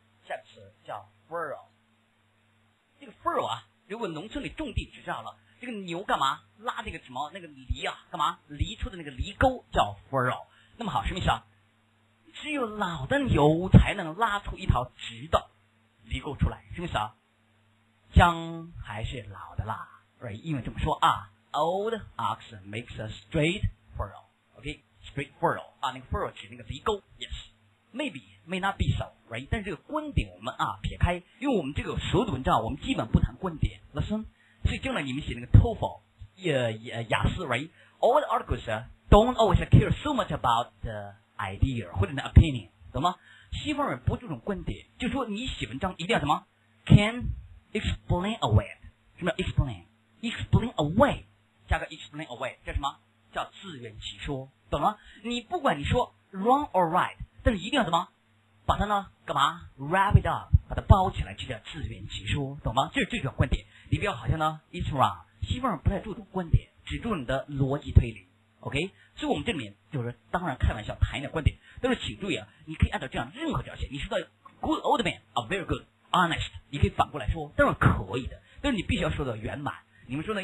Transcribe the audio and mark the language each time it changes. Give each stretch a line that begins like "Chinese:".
Chinese: 下个词叫 furrow， 这个 furrow 啊，如果农村里种地就知道了，这个牛干嘛拉那个什么那个犁啊，干嘛犁出的那个犁沟叫 furrow。那么好，什么意思啊？只有老的牛才能拉出一条直的犁沟出来，是不是啊？姜还是老的辣。
English: Right,
Chinese: 英文这么说啊
English: ，Old oxen makes a straight furrow. OK, straight furrow.
Chinese: 啊，那个 furrow 指那个犁沟。
English: Yes, maybe, may not be so.
Chinese: Right, 但是这个观点我们啊撇开，因为我们这个所有的文章我们基本不谈观点。
English: Listen,
Chinese: 所以将来你们写那个
English: TOEFL， 雅思 ，Right, old articles don't always care so much about the idea 或者 the opinion，
Chinese: 懂吗？西方人不注重观点，就说你写文章一定要什么 ？
English: Can explain away？
Chinese: 什么叫 explain？ Explain away， 加个 explain away， 叫什么？叫自圆其说，懂了？你不管你说 wrong or right， 但是一定要什么？把它呢干嘛 ？
English: Wrap it up，
Chinese: 把它包起来，就叫自圆其说，懂吗？这是这种观点。你不要好像呢 ，
English: it's wrong，
Chinese: 西方人不太注重观点，只注重你的逻辑推理。 OK， 所以我们这里面就是当然开玩笑谈一点观点，但是请注意啊，你可以按照这样任何条件，你说到 good old man， a very good honest， 你可以反过来说，当然可以的，但是你必须要说的圆满。你们说呢？